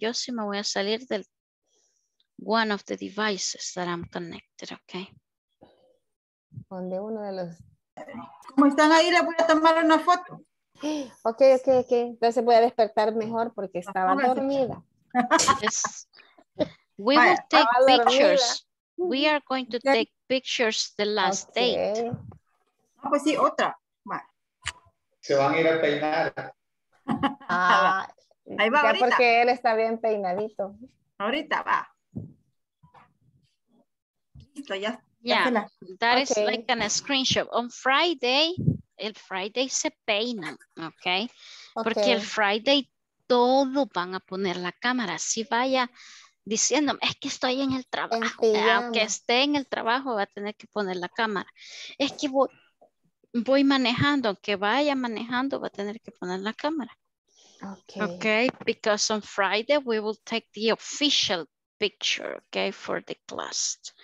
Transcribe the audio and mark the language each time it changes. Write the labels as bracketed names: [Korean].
[Spanish] Yo sí me voy a salir del [English] one of the devices that I'm connected, okay? [Spanish] donde uno de los... ¿Cómo están ahí? Les voy a tomar una foto. [English] Ok, ok, ok. [Spanish] Entonces voy a despertar mejor porque estaba dormida. [English] Yes. We will take pictures. We are going to take pictures the last day. [Spanish] Ah, pues sí, otra. Se van a ir a peinar. Ah, ahí va, ya porque él está bien peinadito. Ahorita va. Listo, ya. [English] Yeah, that is like a screenshot. On Friday, [Spanish] el Friday se peina, [English] okay? [Spanish] Porque el Friday todos van a poner la cámara. Si vaya diciéndome, es que estoy en el trabajo. Aunque esté en el trabajo, va a tener que poner la cámara. Es que voy manejando, aunque vaya manejando, va a tener que poner la cámara. [English] Okay. Okay, because on Friday we will take the official picture, okay, for the class.